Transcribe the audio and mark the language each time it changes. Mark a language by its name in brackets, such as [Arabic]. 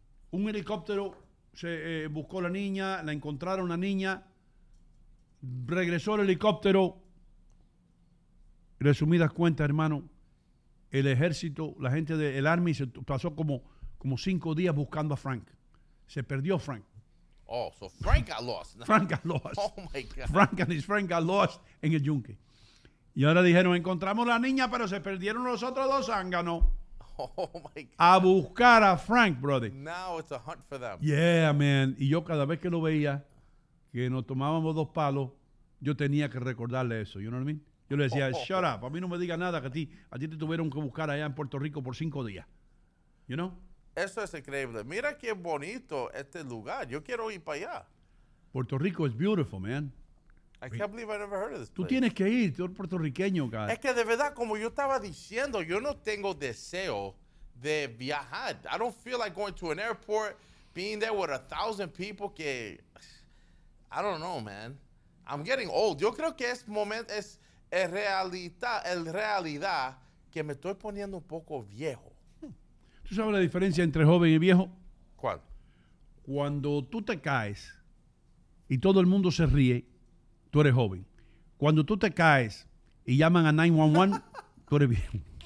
[Spanish] Un helicóptero buscó la niña, la encontraron la niña, regresó el helicóptero. Resumidas cuentas, hermano, el ejército, la gente del Army, se pasó como 5 días buscando a Frank. Se perdió Frank. [English] Oh, so Frank got lost. Frank got lost. Oh, my God. Frank and his friend got lost en el yunque. [Spanish] Y ahora dijeron, encontramos la niña, pero se perdieron los otros dos zánganos. [English] Oh, my God. [Spanish] A buscar a Frank, brother. [English] Now it's a hunt for them. Yeah, man. [Spanish] Y yo cada vez que lo veía, que nos tomábamos dos palos, yo tenía que recordarle eso. You know what I mean? Yo le decía, shut up, a mí no me diga nada, que a ti te tuvieron que buscar allá en Puerto Rico por 5 días. [English] You know? [Spanish] Eso es increíble. Mira qué bonito este lugar. Yo quiero ir para allá. [English] Puerto Rico is beautiful, man. I can't believe I never heard of this [Spanish] place. Tú tienes que ir, tú eres puertorriqueño, guy. Es que de verdad, como yo estaba diciendo, yo no tengo deseo de viajar. [English] I don't feel like going to an airport, being there with 1,000 people que... I don't know, man. I'm getting old. [Spanish] Yo creo que es realidad que me estoy poniendo un poco viejo. ¿Tú sabes la diferencia entre joven y viejo? ¿Cuál? Cuando tú te caes y todo el mundo se ríe, tú eres joven. Cuando tú te caes y llaman a 911, tú eres viejo.